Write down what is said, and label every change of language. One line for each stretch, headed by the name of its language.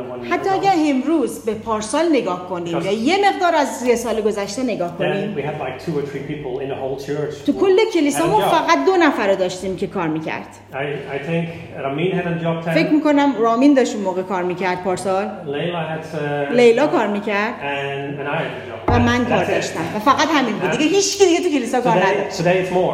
Persian: حتی اگر امروز به پارسال نگاه کنیم یا یه مقدار از 3 سال گذشته نگاه کنیم.
English: We have like 2 or 3 people in the whole church.
Persian: تو کل کلیسامون فقط 2 نفر داشتیم که کار می‌کرد.
English: I think Ramin had a job time.
Persian: فکر می‌کنم رامین داشت موقع کار می‌کرد پارسال. لیلا کار می‌کرد.
English: And I had a job.
Persian: و من کار داشتم و فقط همین بود. دیگه هیچ کی دیگه تو کلیسا کار نداشت.